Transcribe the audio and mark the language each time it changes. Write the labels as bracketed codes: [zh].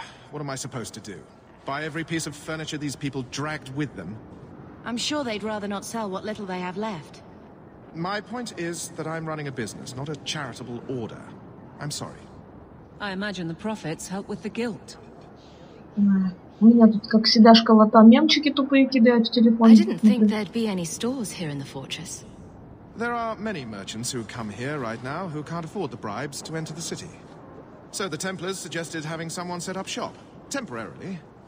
[en] What am I supposed to do? Buy every piece of furniture these people dragged with them. I'm sure they'd rather not sell what little they have left. My point is that I'm running a business, not a charitable order. I'm sorry. I imagine the profits help with the guilt. [ru] У меня тут как всегда школота, мемчики тупые кидают в телефон. [en] I didn't think there'd be any stores here in the fortress. There are many merchants who come here right now who can't afford the bribes to enter the city. So the Templars suggested having someone set up shop temporarily.